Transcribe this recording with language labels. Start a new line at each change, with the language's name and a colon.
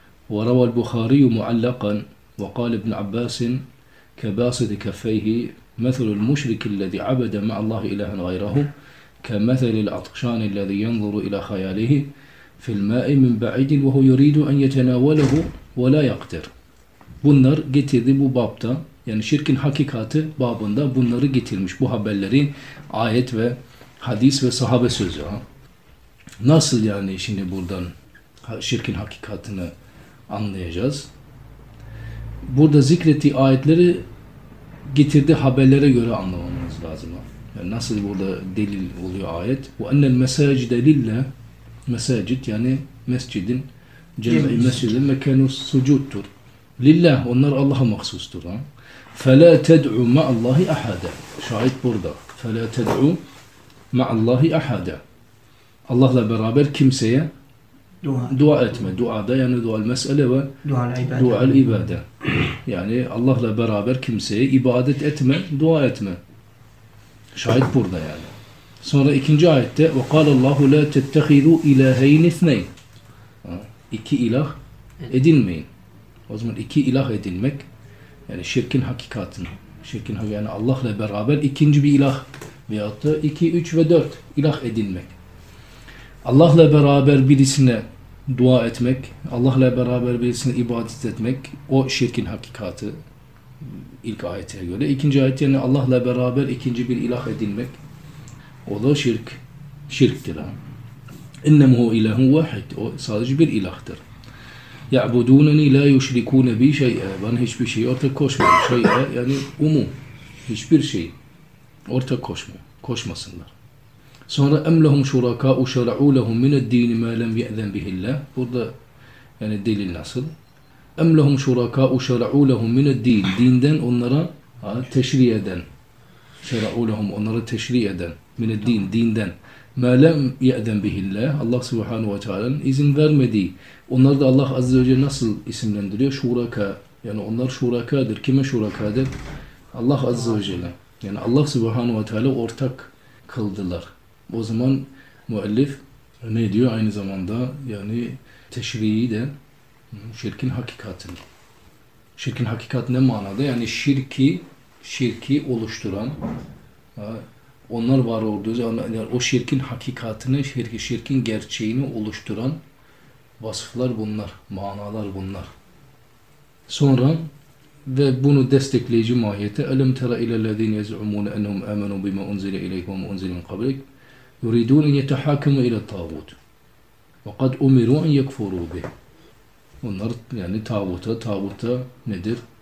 Arabic: وروى البخاري معلقا وقال ابن عباس كباسط كفيه مثل المشرك الذي عبد مع الله إلها غيره كمثل العطشان الذي ينظر إلى خياله في الماء من بعيد وهو يريد أن يتناوله ولا يقدر.
Turkish: Bunlar getirdi bu babta yani şirkin hakikati babında bunları getirmiş bu haberleri ayet ve hadis ve sahabe sözü. Nasıl yani şimdi buradan şirkin hakikatini anlayacağız. Burada zikrettiği ayetleri getirdiği haberlere göre anlamamız lazım. Yani nasıl burada delil oluyor ayet?
Arabic: وَاَنَّ الْمَسَاجِدَ لِلَّهِ
Turkish: Mesacid yani mescidin cem'i mescidin mekanu sucuttur. Lillah onlar Allah'a mahsustur.
Arabic: فَلَا تَدْعُوا مَعَ اللّٰهِ اَحَدًا
Turkish: Şahit burada.
Arabic: فَلَا تَدْعُوا مَعَ اللّٰهِ اَحَدًا
Turkish: Allah'la beraber kimseye dua etme. Dua da yani dua mesele ve dua ibade. Yani Allah'la beraber kimseye ibadet etme, dua etme. Şahit burada yani. Sonra ikinci ayette
Arabic: وَقَالَ اللّٰهُ لَا تَتَّخِذُوا اِلَٰهَيْنِ اثْنَيْنِ
Turkish: İki ilah edinmeyin. O zaman iki ilah edinmek, yani şirkin hakikatını, şirkin yani Allah'la beraber ikinci bir ilah veyahut da iki, üç ve dört ilah edinmek. Allah'la beraber birisine dua etmek, Allah'la beraber birisine ibadet etmek, o şirkin hakikatı ilk ayete göre. İkinci ayet yani Allah'la beraber ikinci bir ilah edinmek, o da şirk, şirktir.
Arabic: İnnemhu ilahun vahid,
Turkish: o sadece bir ilahtır.
Arabic: يَعْبُدُونَنِي لَا يُشْرِكُونَ بِي شَيْئًا
Turkish: Bana hiçbir şeyi ortak koşmuyor. Şey'e yani umum. Hiçbir şey ortak koşmuyor. Koşmasınlar.
Arabic: Sonra اَمْ لَهُمْ شُرَكَاءُ شَرَعُوا لَهُمْ مِنَ الدِّينِ مَا لَمْ يَأْذَنْ بِهِ اللّٰهِ
Turkish: Burada yani delil nasıl?
Arabic: اَمْ لَهُمْ شُرَكَاءُ شَرَعُوا لَهُمْ مِنَ الدِّينِ
Turkish: Dinden onlara teşri eden.
Arabic: شَرَعُوا لَهُمْ
Turkish: Onları teşri eden.
Arabic: مِنَ الدِّينِ
Turkish: Dinden.
Arabic: مَا لَمْ يَأْذَنْ بِهِ اللّٰهِ
Turkish: Allah subhanahu wa ta'ala'nın izin vermediği. Onlar da Allah azze ve celle nasıl isimlendiriyor? Şuraka. Yani onlar şurakadır. Kime şurakadır? Allah azze ve celle. Yani Allah subhanahu wa ta'ala ortak kıldılar. O zaman müellif ne diyor? Aynı zamanda yani teşriği de şirkin hakikatini. Şirkin hakikat ne manada? Yani şirki oluşturan... Onlar var olduğu zaman yani o şirkin hakikatini, şirkin gerçeğini oluşturan vasıflar bunlar, manalar bunlar. Sonra ve bunu destekleyici mahiyeti
Arabic: أَلَمْ تَرَ اِلَى الَّذ۪ينَ يَزْعُمُونَ اَنْهُمْ اَمَنُوا بِمَا اُنْزِلَ اِلَيْهُمْ اُنْزِلَ مِنْ قَبْلِكَ يُرِيدُونَ اَنْ يَتَحَاكَمُوا اِلَى الطَّاغُوتِ وَقَدْ اُمِرُوا اَنْ يَكْفُرُوا بِهِ
Turkish: Onlar yani tağuta nedir?